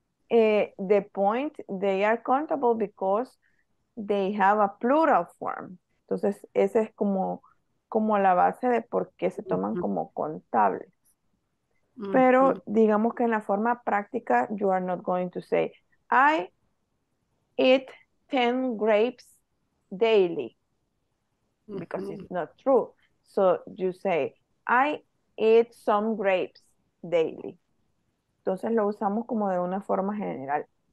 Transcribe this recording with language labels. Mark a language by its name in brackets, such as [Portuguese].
[English] the point, they are countable because they have a plural form. [Spanish] Entonces, esa es como la base de por qué se toman como contables. Pero digamos que en la forma práctica, [English] you are not going to say, I eat 10 grapes daily. Because it's not true. So you say, I eat some grapes daily. [Spanish] Entonces lo usamos como de una forma general.